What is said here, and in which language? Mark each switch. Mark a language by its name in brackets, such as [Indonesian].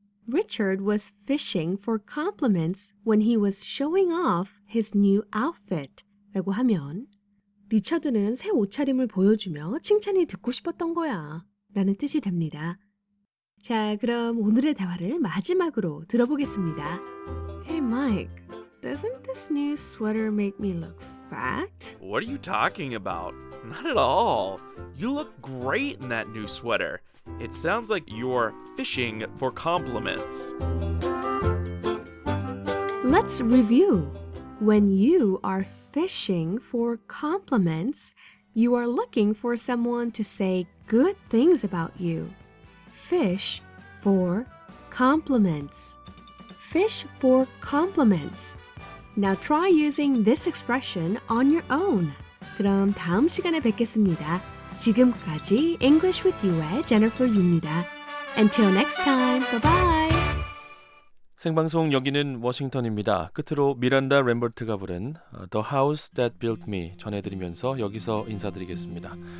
[English] Richard was fishing for compliments when he was showing off his new outfit. [Korean] 라고 하면 리처드는 새 옷차림을 보여주며 칭찬이 듣고 싶었던 거야. 라는 뜻이 됩니다. 자, 그럼 오늘의 대화를 마지막으로 들어보겠습니다. [English] Hey, Mike, doesn't this new sweater make me look fat? What are you talking about? Not at all. You look great in that new sweater. It sounds like you're fishing for compliments. Let's review. When you are fishing for compliments, you are looking for someone to say good things about you. Fish for compliments. Fish for compliments. Now try using this expression on your own. [Korean] 그럼 다음 시간에 뵙겠습니다. 지금까지 English with You의 Jennifer Yu입니다. [English] Until next time, bye-bye. [Korean] 생방송 여기는 워싱턴입니다. 끝으로 미란다 램버트가 부른 The House That Built Me 전해드리면서 여기서 인사드리겠습니다.